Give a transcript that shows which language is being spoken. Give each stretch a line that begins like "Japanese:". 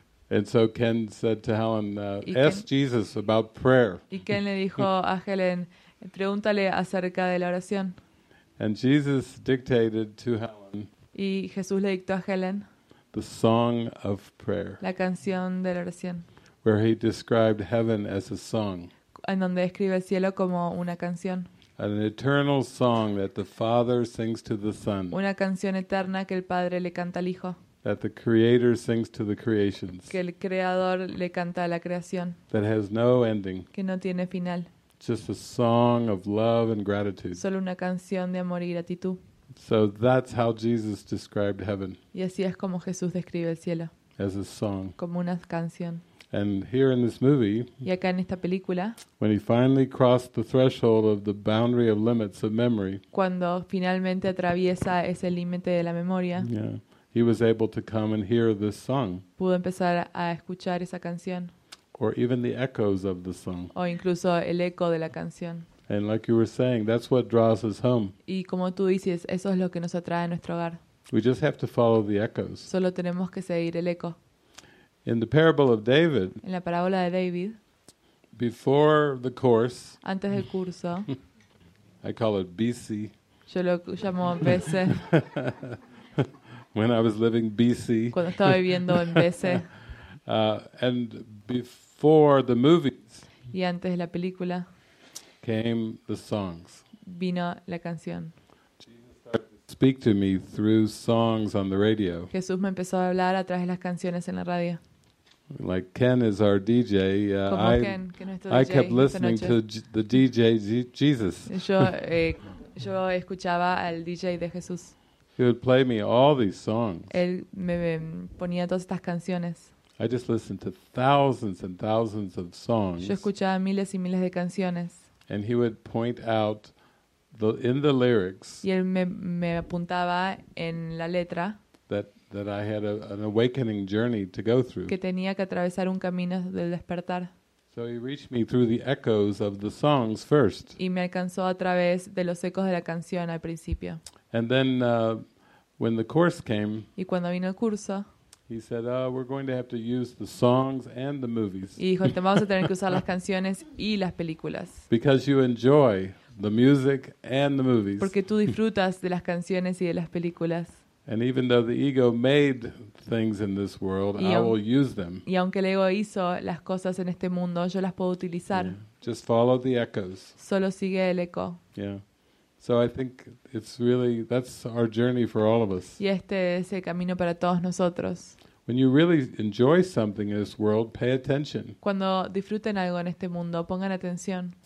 English: And so Ken said to Helen, ask Jesus about prayer.
Spanish: Y Ken le dijo a Helen, pregúntale acerca de la oración.
English: And Jesus dictated to Helen.
Spanish: Y Jesús le dictó a Helen.
English: The song of prayer.
Spanish: La canción de la oración.
English: Where he described heaven as a song.
Spanish: En donde describe el cielo como una canción.
English: An eternal song that the Father sings to the Son.
Spanish: Una canción eterna que el Padre le canta al Hijo.
English: That the Creator sings to the creations.
Spanish: Que el Creador le canta a la creación.
English: That has no ending.
Spanish: Que no tiene final.
English: Just a song of love and gratitude.
Spanish: Solo una canción de amor y gratitud.
English: So that's how Jesus described heaven.
Spanish: Y así es como Jesús describe el cielo.
English: As a song.
Spanish: Como una canción.
English: And here in this movie,
Spanish: y acá en esta película,
English: when he finally crossed the threshold of the boundary of limits of memory,
Spanish: cuando finalmente atraviesa ese límite de la memoria,
English: yeah, he was able to come and hear this song,
Spanish: pudo empezar a escuchar esa canción,
English: or even the echoes of the song,
Spanish: o incluso el eco de la canción.
English: And like you were saying, that's what draws us home.
Spanish: Y como tú dices, eso es lo que nos atrae a nuestro hogar.
English: We just have to follow the echoes.
Spanish: Solo tenemos que seguir el eco.
English: In the parable of David,
Spanish: en la parábola de David,
English: before the course,
Spanish: antes del curso,
English: I call it BC.
Spanish: Yo lo llamo BC.
English: When I was living BC,
Spanish: cuando estaba viviendo en BC,
English: and before the movies,
Spanish: y antes de la película,
English: came the songs.
Spanish: Vino la canción.
English: Speak to me through songs on the radio.
Spanish: Jesús me empezó a hablar a través de las canciones en la radio.
English: Like Ken is our DJ.
Spanish: Como Ken, que nuestro DJ.
English: I kept listening to the DJ Jesus.
Spanish: Yo escuchaba al DJ de Jesús.
English: He would play me all these songs.
Spanish: Él me ponía todas estas canciones.
English: I just listened to thousands and thousands of songs.
Spanish: Yo escuchaba miles y miles de canciones.
English: And he would point out in the lyrics.
Spanish: Y él me apuntaba en la letra.
English: That I had an awakening journey to go through.
Spanish: Que tenía que atravesar un camino del despertar.
English: So he reached me through the echoes of the songs first.
Spanish: Y me alcanzó a través de los ecos de la canción al principio.
English: And then when the course came.
Spanish: Y cuando vino el curso.
English: He said, "We're going to have to use the songs and the movies."
Spanish: Y dijo, vamos a tener que usar las canciones y las películas.
English: Because you enjoy the music and the movies.
Spanish: Porque tú disfrutas de las canciones y de las películas.
English: And even though the ego made things in this world, I will use them.
Spanish: Y aunque el ego hizo las cosas en este mundo, yo las puedo utilizar.
English: Yeah. Just follow the echoes.
Spanish: Solo sigue el eco.
English: Yeah. So I think it's really that's our journey for all of us.
Spanish: Y este es el camino para todos nosotros.
English: When you really enjoy something in this world, pay attention.
Spanish: Cuando disfruten algo en este mundo, pongan atención.